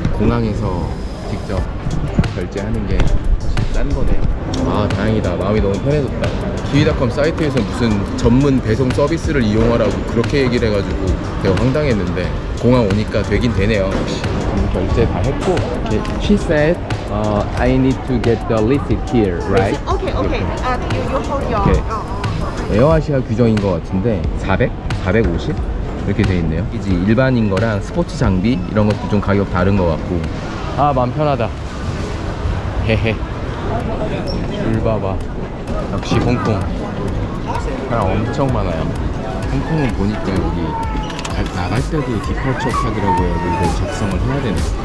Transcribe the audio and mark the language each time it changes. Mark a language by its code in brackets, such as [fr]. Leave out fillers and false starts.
[ko] 공항에서 직접 결제하는 게 훨씬 싼 거네요. 아, 다행이다. 마음이 너무 편해졌다. 기위닷컴 사이트에서 무슨 전문 배송 서비스를 이용하라고 그렇게 얘기를 해가지고 되게 황당했는데 공항 오니까 되긴 되네요. 혹시 결제 다 했고. [en] Okay. She said I need to get the receipt here, right? Okay, okay. You hold your... Okay. [ko] 에어아시아 규정인 것 같은데 400? 450? 이렇게 돼 있네요. 이제 일반인 거랑 스포츠 장비 이런 것도 좀 가격 다른 것 같고. 아, 마음 편하다. 헤헤. 줄 봐봐. 역시 홍콩 사람 엄청 많아요. 홍콩은 보니까 여기 나갈 때도 디파처 카드라고 해서 이걸 작성을 해야 되네.